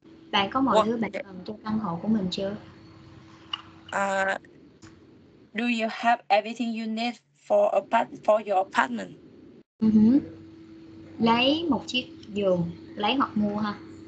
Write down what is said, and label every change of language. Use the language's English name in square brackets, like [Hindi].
[Vietnamese] Bạn có mọi thứ bạn cần cho căn hộ của mình chưa? [English] Do you have everything you need for your apartment? [Vietnamese] Lấy một chiếc giường, lấy hoặc mua ha.